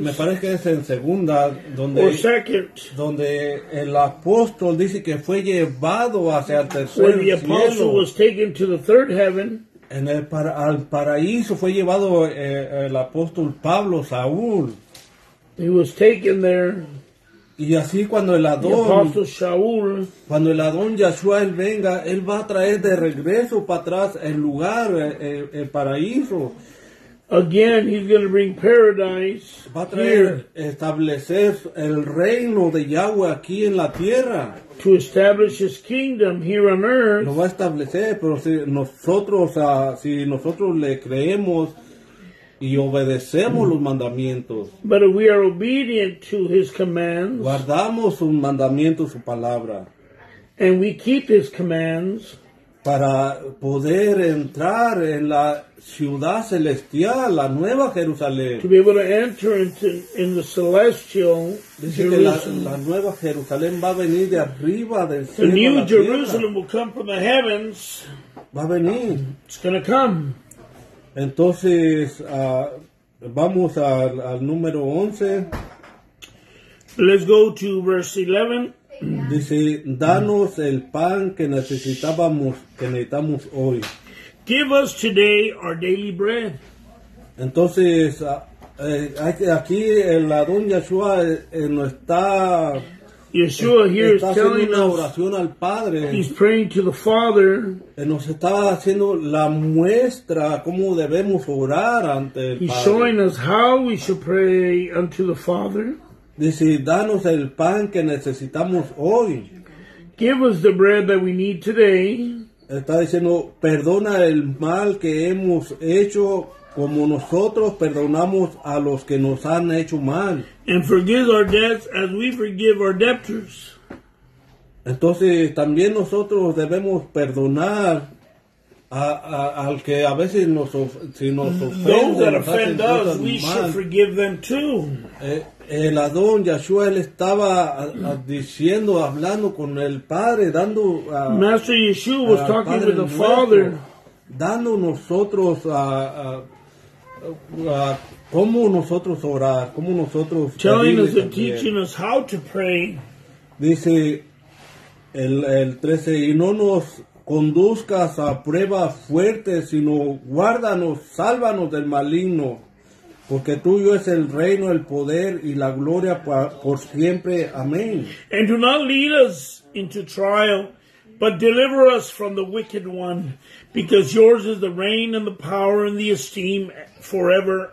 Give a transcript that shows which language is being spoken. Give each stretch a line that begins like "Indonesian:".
Spanish: Me parece que es en segunda donde.
English: Or second.
Spanish: Donde el apóstol dice que fue llevado hacia el tercer cielo.
English: Where the apostle was taken to the third heaven.
Spanish: En el al paraíso fue llevado el apóstol Pablo Saúl.
English: He was taken there.
Spanish: Y así cuando el Adón, cuando el Adón Yahshua él venga, él va a traer de regreso para atrás el lugar, el paraíso.
English: Again, he's going to bring paradise.
Spanish: Va a traer establecer el reino de Yahweh aquí en la tierra.
English: To establish his kingdom here on earth.
Spanish: Lo va a establecer, pero si nosotros si nosotros le creemos y obedecemos los mandamientos.
English: But if we are obedient to his commands.
Spanish: Guardamos sus mandamientos, su palabra.
English: And we keep his commands.
Spanish: Para poder entrar en la ciudad celestial, la nueva Jerusalén.
English: To be able to enter in the celestial.
Spanish: Dice que la nueva Jerusalén va a venir de arriba del cielo.
English: The new Jerusalem will come from the heavens.
Spanish: Va a venir.
English: It's going to come.
Spanish: Entonces, vamos al número 11.
English: Let's go to verse 11.
Spanish: Dice, danos el pan que necesitábamos, que necesitamos hoy.
English: Give us today our daily bread.
Spanish: Entonces, aquí el Adón Yahshua nos está...
English: Yeshua here
Spanish: está
English: is telling
Spanish: una oración al Padre.
English: He's praying to the Father.
Spanish: Nos está haciendo la muestra cómo debemos orar ante el
English: He's
Spanish: Padre.
English: He's showing us how we should pray unto the Father.
Spanish: Dice, danos el pan que necesitamos hoy.
English: Give us the bread that we need today.
Spanish: Está diciendo, perdona el mal que hemos hecho como nosotros perdonamos a los que nos han hecho mal.
English: And forgive our debts as we forgive our debtors.
Spanish: Entonces, también nosotros debemos perdonar al que a veces nos ofende.
English: Those that offend us, we should forgive them too.
Spanish: El Adón Yahshua, él estaba diciendo, hablando con el Padre, dando a...
English: Master Yeshua was talking with the Father.
Spanish: Dando nosotros a cómo nosotros orar, cómo nosotros
English: telling us and teaching us how to pray.
Spanish: Dice el 13, y no nos conduzcas a pruebas fuertes, sino guárdanos, sálvanos del maligno. Porque tuyo es el reino, el poder y la gloria por siempre. Amén.
English: And do not lead us into trial, but deliver us from the wicked one. Because yours is the reign and the power and the esteem forever.